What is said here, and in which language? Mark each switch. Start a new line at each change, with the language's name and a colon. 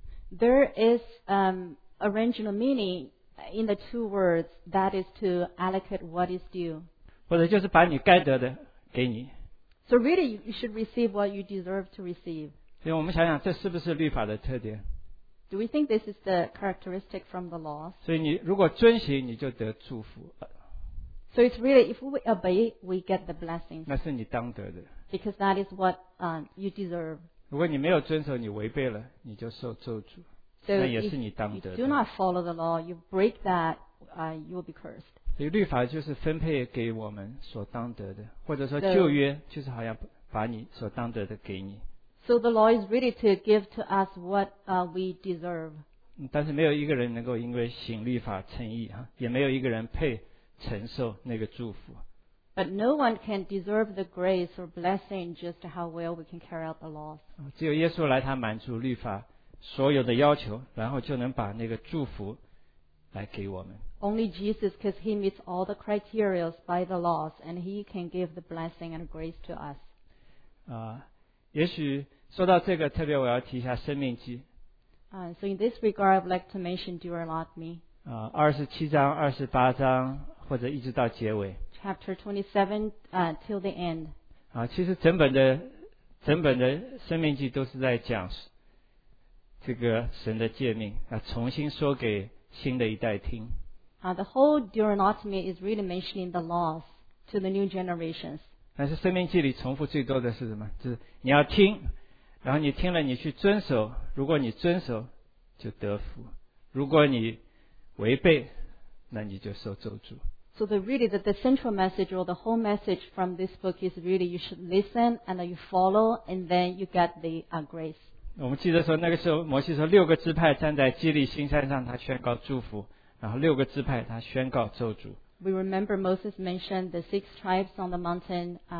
English: There is original meaning in the two words, that is to allocate what is due.
Chinese: 或者就是把你该得的给你。
English: So really, you should receive what you deserve to receive.
Chinese: 所以我们想想，这是不是律法的特点？
English: Do we think this is the characteristic from the law?
Chinese: 所以你如果遵行，你就得祝福。
English: So it's really, if we obey, we get the blessing.
Chinese: 那是你当得的。
English: Because that is what you deserve.
Chinese: 如果你没有遵守，你违背了，你就受咒诅。
English: So、
Chinese: 那也是你当得的。
English: If you do not follow the law, you break that, you will be cursed.
Chinese: 所以律法就是分配给我们所当得的，或者说旧约就是好像把你所当得的给你。
English: So the law is really to give to us what we deserve.
Chinese: 但是没有一个人能够因为行律法称义啊，也没有一个人配承受那个祝福。
English: But no one can deserve the grace or blessing just how well we can carry out the laws.
Chinese: 只有耶稣来，他满足律法所有的要求，然后就能把那个祝福来给我们。
English: Only Jesus, because he meets all the criteria by the laws, and he can give the blessing and grace to us.
Chinese: 也许说到这个，特别我要提一下《生命记》。
English: So in this regard, I'd like to mention Deuteronomy.
Chinese: 27章、28章，或者一直到结尾。
English: Chapter 27, till the end.
Chinese: 其实整本的生命记都是在讲这个神的诫命，重新说给新的一代听。
English: The whole Deuteronomy is really mentioning the laws to the new generations.
Chinese: 但是生命记里重复最多的是什么？就是你要听，然后你听了你去遵守，如果你遵守就得福，如果你违背，那你就受咒诅。
English: So the central message or the whole message from this book is really you should listen and you follow and then you get the grace.
Chinese: 我们记得说那个时候摩西说六个支派站在基利新山上，他宣告祝福，然后六个支派他宣告咒诅。
English: We remember Moses mentioned the six tribes on the mountain.